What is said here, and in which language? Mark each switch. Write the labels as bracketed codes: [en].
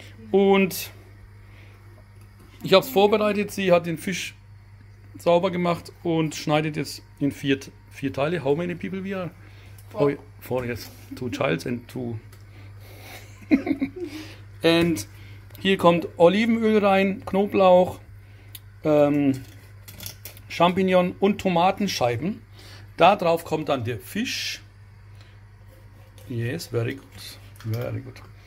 [de] Und ich habe es vorbereitet. Sie hat den Fisch sauber gemacht und schneidet es in vier Teile. [en] How many people we are? Oh, Four. four, yes, two childs and two. And [de] hier kommt Olivenöl rein, Knoblauch, Champignon und Tomatenscheiben. Da drauf kommt dann der Fisch. [en] Yes, very good, very good.